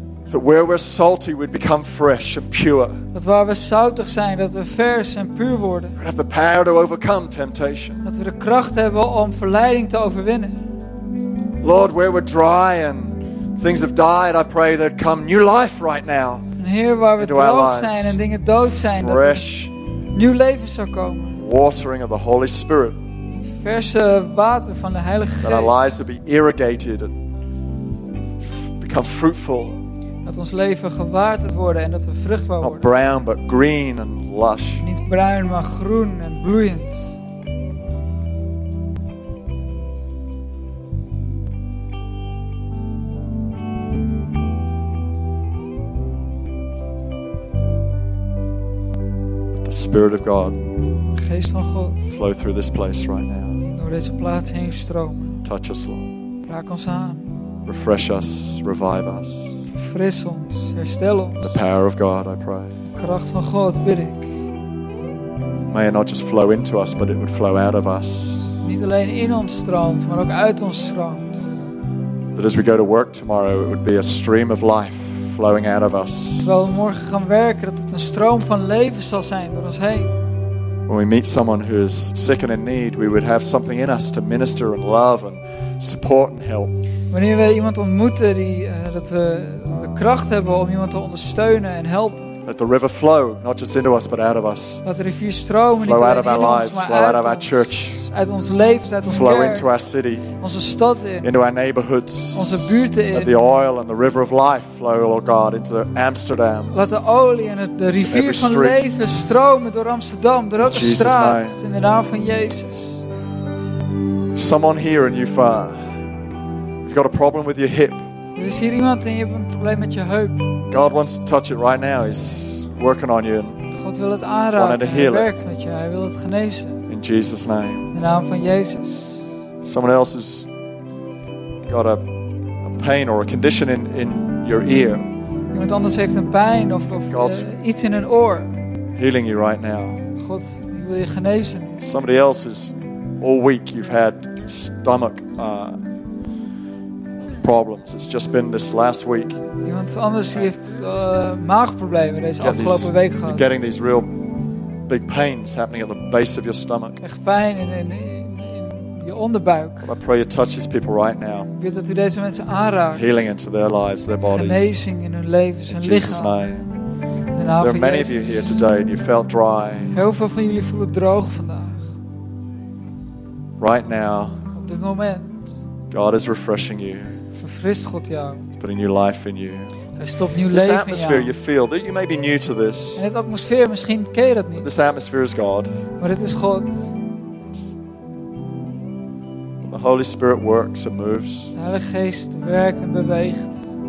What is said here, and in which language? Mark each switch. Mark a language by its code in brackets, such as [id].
[en] That where we're salty, we'd become fresh and pure. [nl] Dat waar we zoutig zijn, dat we vers en puur worden. [en] We have the power to overcome temptation. [nl] Dat we de kracht hebben om verleiding te overwinnen. [en] Lord, where we're dry and things have died, I pray that come new life right now. [nl] En hier waar we droog zijn en dingen dood zijn, [en] fresh, [nl] dat nieuw leven zou komen. [en] Watering of the Holy Spirit. [nl] Verse water van de Heilige Geest. [en] That our lives will be irrigated and become fruitful. [nl] Dat ons leven gewaterd worden en dat we vruchtbaar worden. [en] Not brown but green and lush. [nl] Niet bruin maar groen en bloeiend. [en] Spirit of God. [nl] Geest van God. [en] Flow through this place right now. [nl] Door deze plaats heen stromen. [en] Touch us, Lord. [nl] Raak ons aan. [en] Refresh us, revive us. [nl] Fris ons, herstel ons. [en] The power of God, I pray. [nl] Kracht van God bid ik. [en] May it not just flow into us, but it would flow out of us. [nl] Niet alleen in ons stroomt, maar ook uit ons stroomt. [en] That as we go to work tomorrow, it would be a stream of life flowing out of us. [nl] Terwijl we morgen gaan werken, dat het een stroom van leven zal zijn door ons heen. [en] When we meet someone who is sick and in need, we would have something in us to minister and love and support and help. [nl] Wanneer we iemand ontmoeten die dat we kracht hebben om iemand te ondersteunen en helpen. [en] Let the river flow, not just into us, but out of us. [nl] Laat de rivier stromen, niet alleen [en] out of our lives, [nl] ons, [en] flow out of [nl] ons, [en] our church. [nl] Uit ons leven, uit ons [en] flow [nl] kerk, [en] into our city, [nl] onze stad in, [en] into our neighborhoods, [nl] onze buurten in. [en] Let the oil and the river of life flow, Lord God, into Amsterdam. [nl] Laat de olie en de rivier van leven stromen door Amsterdam, door elke straat, [en] name. [nl] In de naam van Jezus. [en] Someone here in Ufar, you've got a problem with your hip. [nl] Er is hier iemand en je hebt een probleem met je heup. [en] God wants to touch it right now. He's working on you. [nl] God wil het aanraken. [en] He [nl] werkt met je. Hij wil het genezen. [en] In Jesus' name. [nl] In de naam van Jezus. [en] Someone else has got a pain or a condition in your ear. [nl] Iemand anders heeft een pijn of iets in een oor. [en] Healing you right now. [nl] God, ik wil je genezen. [en] Somebody else is all week you've had stomach problems. It's just been this last week. [nl] Iemand anders heeft maagproblemen deze afgelopen week gehad. [en] You're getting these real big pains happening at the base of your stomach. [nl] Echt pijn in je onderbuik. [en] I pray you touch these people right now. [nl] Ik bid dat u deze mensen aanraakt. [en] Healing into their lives, their bodies. [nl] Genezing in hun levens en lichaam. [en] In Jesus' name. There are many of you here today and you felt dry. [nl] Heel veel van jullie voelen droog vandaag. [en] Right now. [nl] Op dit moment. [en] God is refreshing you. [nl] Verfrist God jou. [en] He's putting new life in you. [nl] Hij stopt nieuw leven in jou. [en] This atmosphere you feel, that you may be new to this. [nl] En het atmosfeer, misschien ken je dat niet. [en] But this atmosphere is God. [nl] Maar het is God. [en] When the Holy Spirit works and moves. [nl] De Heilige Geest werkt en beweegt.